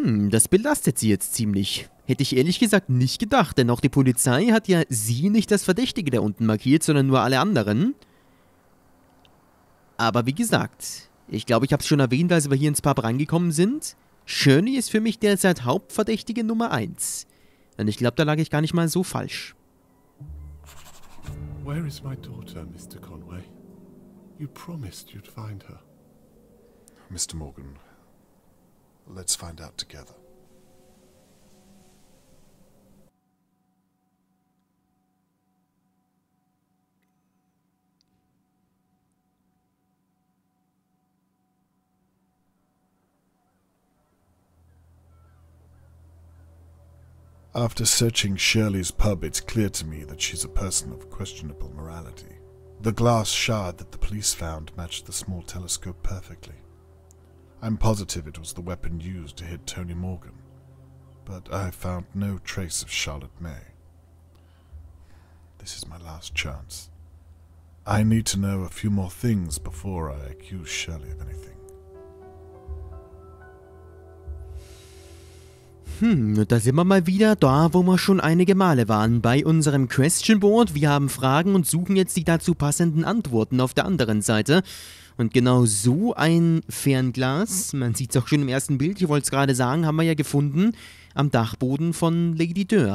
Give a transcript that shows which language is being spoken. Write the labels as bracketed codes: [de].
[de] Das belastet sie jetzt ziemlich. Hätte ich ehrlich gesagt nicht gedacht, denn auch die Polizei hat ja sie nicht das Verdächtige da unten markiert, sondern nur alle anderen. Aber wie gesagt, ich glaube, ich habe es schon erwähnt, als wir hier ins Pub reingekommen sind. Shirley ist für mich derzeit Hauptverdächtige Nummer 1. Und ich glaube, da lag ich gar nicht mal so falsch. [en] Where is my daughter, Mr. Conway? You promised you'd find her. Mr. Morgan, let's find out together. After searching Shirley's pub, it's clear to me that she's a person of questionable morality. The glass shard that the police found matched the small telescope perfectly. I'm positive it was the weapon used to hit Tony Morgan, but I found no trace of Charlotte May. This is my last chance. I need to know a few more things before I accuse Shirley of anything. [de] Und da sind wir mal wieder da, wo wir schon einige Male waren, bei unserem Question Board. Wir haben Fragen und suchen jetzt die dazu passenden Antworten auf der anderen Seite. Und genau so ein Fernglas, man sieht es auch schon im ersten Bild, ich wollte es gerade sagen, haben wir ja gefunden am Dachboden von Lady Dürr.